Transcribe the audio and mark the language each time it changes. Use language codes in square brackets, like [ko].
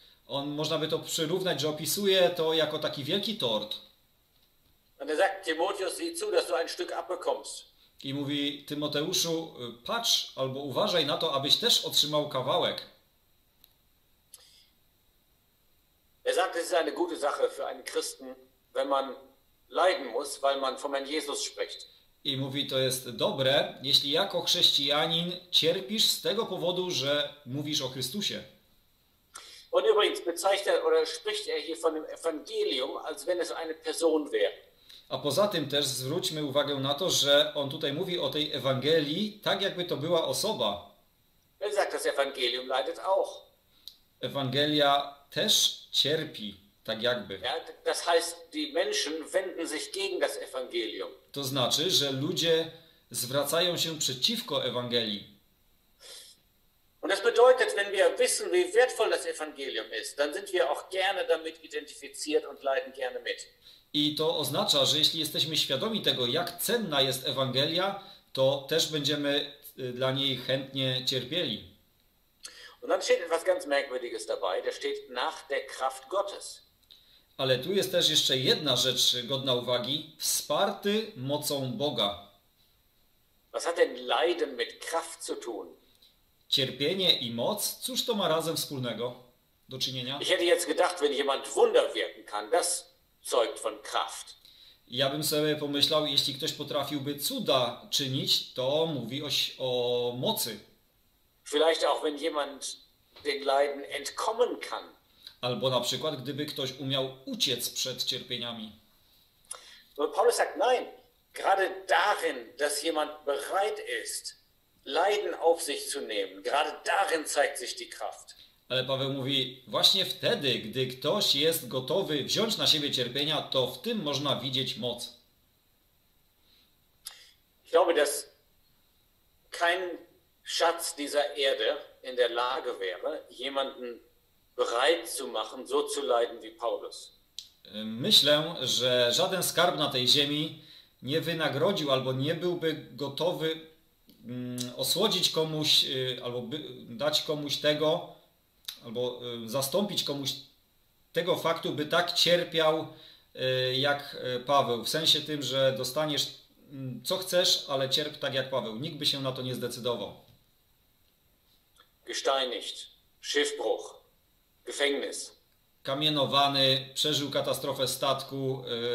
[pl] On można by to przyrównać, że opisuje to jako taki wielki tort. [de] Und er sagt, Timotheus, sieh zu, dass du ein Stück abbekommst. [pl] I mówi, Tymoteuszu, patrz albo uważaj na to, abyś też otrzymał kawałek. [de] Er sagt, es ist eine gute Sache für einen Christen, wenn man leiden muss, weil man vom Herrn Jesus spricht. [pl] I mówi, to jest dobre, jeśli jako chrześcijanin cierpisz z tego powodu, że mówisz o Chrystusie. [de] Und übrigens bezeichnet er, oder spricht er hier von dem Evangelium, als wenn es eine Person wäre. [pl] A poza tym też zwróćmy uwagę na to, że on tutaj mówi o tej Ewangelii, tak jakby to była osoba. [de] Er sagt, das Evangelium leidet auch. [pl] Ewangelia też cierpi, tak jakby. [de] Ja, das heißt, die Menschen wenden sich gegen das Evangelium. [pl] To znaczy, że ludzie zwracają się przeciwko Ewangelii. [de] Und das bedeutet, wenn wir wissen, wie wertvoll das Evangelium ist, dann sind wir auch gerne damit identifiziert und leiden gerne mit. [pl] I to oznacza, że jeśli jesteśmy świadomi tego, jak cenna jest Ewangelia, to też będziemy dla niej chętnie cierpieli. [de] Und dann steht etwas ganz merkwürdiges dabei, da steht nach der Kraft Gottes. [pl] Ale tu jest też jeszcze jedna rzecz godna uwagi. Wsparty mocą Boga. [de] Was hat denn Leiden mit Kraft zu tun? [pl] Cierpienie i moc, cóż to ma razem wspólnego do czynienia? [de] Ich hätte jetzt gedacht, wenn jemand Wunder wirken kann, das zeugt von Kraft. [pl] Ja bym sobie pomyślał, jeśli ktoś potrafiłby cuda czynić, to mówi o mocy. [de] Vielleicht auch, wenn jemand den Leiden entkommen kann. [pl] Albo na przykład, gdyby ktoś umiał uciec przed cierpieniami. [de] Paulus sagt, nein, gerade darin, dass jemand bereit ist, Leiden auf sich zu nehmen, gerade darin zeigt sich die Kraft. [pl] Ale Paweł mówi, właśnie wtedy, gdy ktoś jest gotowy wziąć na siebie cierpienia, to w tym można widzieć moc. [de] Ich glaube, dass kein Schatz dieser Erde in der Lage wäre, jemanden bereit zu machen, so zu leiden wie Paulus. [pl] Myślę, że żaden skarb na tej ziemi nie wynagrodził albo nie byłby gotowy osłodzić komuś albo dać komuś tego albo zastąpić komuś tego faktu, by tak cierpiał jak Paweł. W sensie tym, że dostaniesz co chcesz, ale cierp tak jak Paweł. Nikt by się na to nie zdecydował. [de] Gesteinigt, Schiffbruch, Gefängnis. [pl] kamienowany, przeżył katastrofę statku.